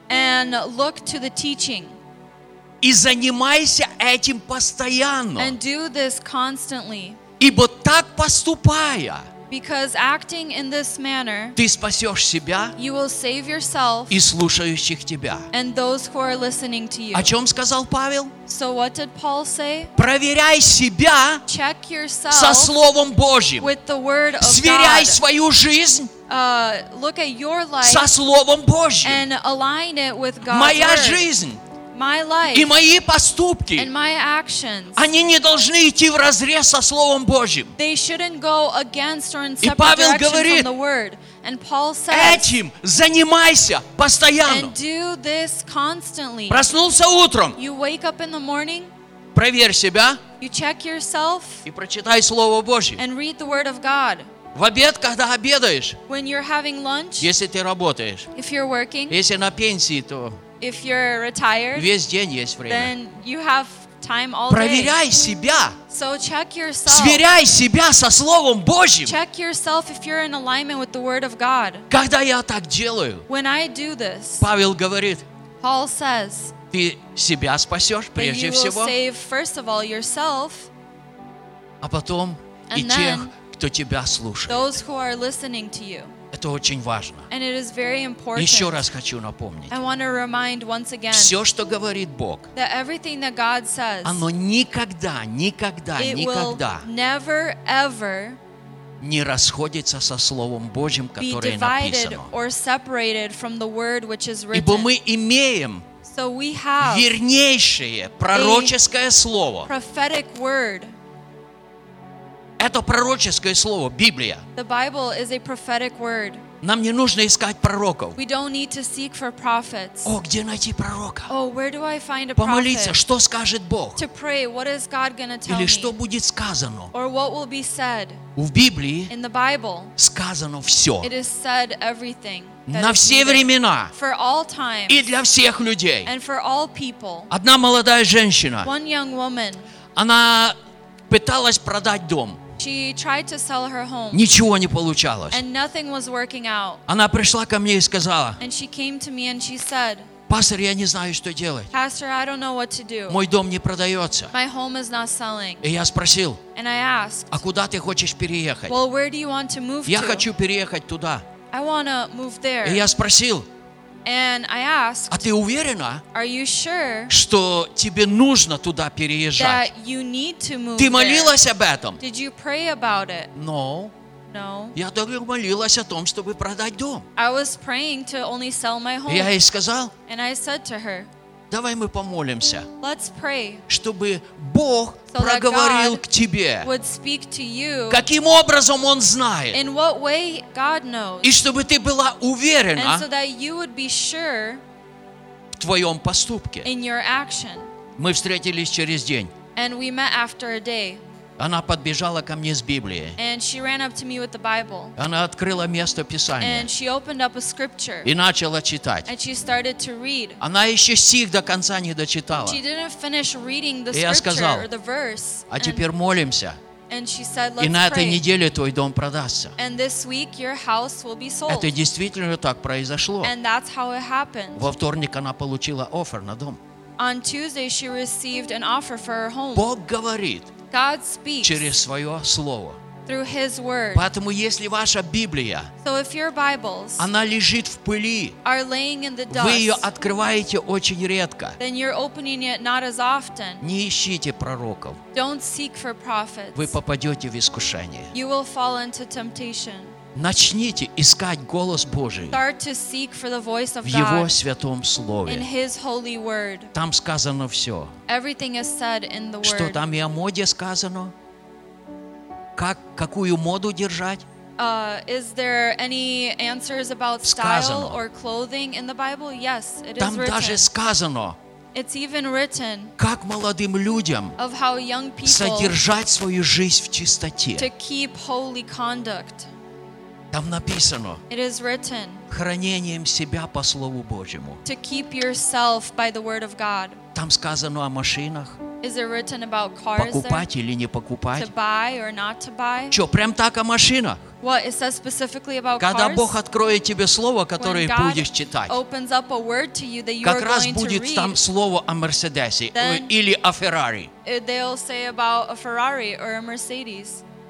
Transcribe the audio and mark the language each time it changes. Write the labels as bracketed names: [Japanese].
[English] And look to the teaching. [Russian] И занимайся этим постоянно. [English] And do this constantly. [Russian] Ибо так поступая, [English] because acting in this manner, [Russian] ты спасешь себя, [English] you will save yourself, [Russian] и слушающих тебя, [English] and those who are listening to you. [Russian] О чем сказал Павел? [English] So what did Paul say? [Russian] Проверяй себя, [English] check yourself, [Russian] со Словом Божьим. [English] With the word of [Russian] сверяй [English] God. [Russian] Свою жизнь, [English] look at your life, [Russian] со Словом Божьим. [English] And align it with God's [Russian] моя [English] word. [Russian] Жизнь. [English] My life [Russian] и мои поступки, [English] and my actions, [Russian] они не должны идти вразрез со Словом Божьим. [English] They shouldn't go against or in separate [Russian] и Павел [English] directions [Russian] говорит, [English] from the word. And Paul says, [Russian] этим занимайся постоянно. [English] And do this constantly. [Russian] Проснулся утром. [English] You wake up in the morning, [Russian] проверь себя. [English] You check yourself, [Russian] и прочитай Слово Божье. [English] And read the word of God. [Russian] В обед, когда обедаешь, [English] when you're having lunch, [Russian] если ты работаешь, [English] if you're working, [Russian] если на пенсии, то [English] if you're retired, [Russian] весь день есть время. [English] Then you have time all [Russian] проверяй [English] day. [Russian] Себя. [English] So check yourself. [Russian] Сверяй себя со Словом Божьим. [English] Check yourself if you're in alignment with the word of God. [Russian] Когда я так делаю, [English] when I do this, [Russian] Павел говорит, [English] Paul says, [Russian] ты себя спасешь прежде всего, [English] you will save first of all yourself, [Russian] а потом и тех, кто тебя слушает. [English] Those who are listening to you. [Russian] Это очень важно. [English] And it is very important. [Russian] Еще раз хочу напомнить. [English] I want to remind once again, [Russian] все, что говорит Бог, [English] that everything that God says, [Russian] оно никогда, никогда, [English] it [Russian] никогда [English] will never, ever [Russian] не расходится со Словом Божьим, которое [English] be divided [Russian] написано. [English] Or separated from the word which is written. [Russian] Ибо мы имеем [English] so we have [Russian] вернейшее пророческое слово. [English] Prophetic word. [Russian] Это пророческое слово, Библия. [English] The Bible is a prophetic word. [Russian] Нам не нужно искать пророков. [English] We don't need to seek for prophets. [Russian] О, где найти пророка? [English] Oh, where do I find a prophet? [Russian] Помолиться, что скажет Бог? [English] To pray, what is God going to tell me? [Russian] Или что будет сказано? [English] Or what will be said? [Russian] В Библии [English] in the Bible, [Russian] сказано все. [English] It is said everything. [Russian] На все времена [English] for all times, [Russian] и для всех людей. [English] And for all people. [Russian] Одна молодая женщина, [English] one young woman, [Russian] она пыталась продать дом. [English] She tried to sell her home. [Russian] Ничего не получалось. [English] And nothing was working out. [Russian] Она пришла ко мне и сказала, [English] and she came to me and she said, [Russian] Пастор, я не знаю, что делать. [English] Pastor, I don't know what to do. [Russian] Мой дом не продается. [English] My home is not selling. [Russian] И я спросил, [English] and I asked, [Russian] а куда ты хочешь переехать? [English] Well, where do you want to move [Russian] я [English] to? [Russian] Хочу переехать туда. [English] I wanna move there. [Russian] И я спросил, [English] and I asked, [Russian] а ты уверена, [English] are you sure, [Russian] что тебе нужно туда переезжать? [English] That you need to move [Russian] ты молилась [English] there? [Russian] Об этом? [English] Did you pray about it? No. No. [Russian] Я только молилась о том, чтобы продать дом. [English] I was praying to only sell my home. [Russian] И я ей сказал, [English] and I said to her, [Russian] давай мы помолимся, [English] let's pray, [Russian] чтобы Бог [English] so [Russian] проговорил к тебе, [English] would speak to you, [Russian] каким образом Он знает, [English] in what way God knows, [Russian] и чтобы ты была уверена, [English] and so that you would be sure, [Russian] в твоем поступке. [English] In your action. [Russian] Мы встретились через день. [English] And we met after a day. [Russian] Она подбежала ко мне с Библией. [English] And she ran up to me with the Bible. [Russian] Она открыла место Писания. [English] And she opened up a scripture. [Russian] И начала читать. [English] And she started to read. [Russian] Она еще стих до конца не дочитала. [English] She didn't finish reading the scripture, [Russian] сказал, [English] or the verse. [Russian] А теперь молимся. [English] And she said, let's [Russian] и на этой [English] pray. [Russian] Неделе твой дом продастся. [English] And this week your house will be sold. [Russian] Это действительно так произошло. [English] And that's how it happened. [Russian] Во вторник она получила оффер на дом. [English] On Tuesday she received an offer for her home. [Russian] Бог говорит. [English] God speaks [Russian] через свое слово. [English] Through His word. [Russian] Поэтому если ваша Библия, [English] so if your Bibles, [Russian] она лежит в пыли, [English] are laying in the dust, [Russian] вы ее открываете очень редко, [English] then you're opening it not as often. [Russian] Не ищите пророков. [English] Don't seek for prophets. [Russian] Вы попадете в искушение. [English] You will fall into temptation. [Russian] Начните искать голос Божий. [English] Start to seek for the voice of [Russian] в Его Святом Слове. [English] In His holy word. [Russian] Там сказано все. [English] Everything is said in the word. [Russian] Что там и о моде сказано? Как, какую моду держать? [English] Is there any answers about style or clothing in the Bible? Yes, it is written. [Russian] Там даже сказано. [English] It's even written. [Russian] Как молодым людям содержать свою жизнь в чистоте? [English] To keep holy conduct. [Russian] Там написано, [English] it is written, [Russian] хранением себя по Слову Божьему. [English] To keep yourself by the word of God. [Russian] Там сказано о машинах. [English] Is it written about cars [Russian] покупать [English] there? [Russian] Или не покупать. [English] To buy or not to buy? [Russian] Что, прям так о машинах? [English] What, it says specifically about [Russian] когда [English] cars? [Russian] Бог откроет тебе слово, которое будешь читать, [English] opens up a word to you that you [Russian] как [English] are [Russian] раз [English] going [Russian] будет [English] to read, [Russian] там слово о Мерседесе или о Феррари. [English] They'll say about a Ferrari or a Mercedes.